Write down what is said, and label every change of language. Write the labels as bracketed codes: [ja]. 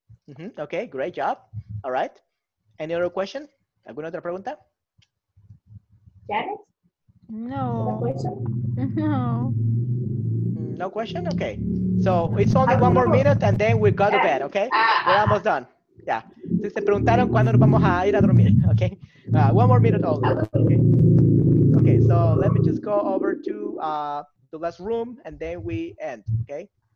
[en] Mm-hmm. Okay, great job. All right. Any other question? [es] ¿Alguna otra pregunta? [en] Janet? No. No question? No. No question? Okay. So it's only one more minute and then we go to bed, okay? We're almost done. Yeah. [es] Entonces se preguntaron cuándo nos vamos a ir a dormir, okay? [en] One more minute, all. Okay, so let me just go over to the last room and then we end, okay?